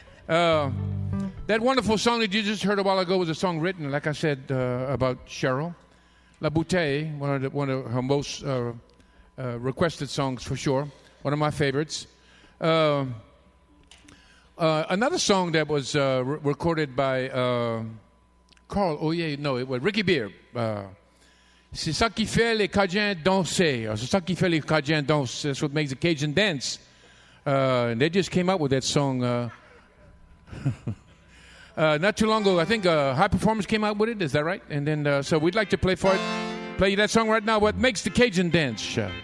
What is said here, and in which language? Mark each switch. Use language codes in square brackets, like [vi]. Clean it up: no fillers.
[en] That wonderful song that you just heard a while ago was a song written, like I said, about Cheryl. La Bouteille, one of her most requested songs for sure, one of my favorites. Another song that was recorded by Carl, oh yeah, no, it was Ricky Beer. [fr] C'est ça qui fait les Cajuns danser. Or, c'est ça qui fait les Cajuns danser. [en] That's what makes the Cajun dance. And they just came up with that song not too long ago. I think High Performance came out with it. Is that right? And then, so we'd like to play you that song right now. What makes the Cajun dance?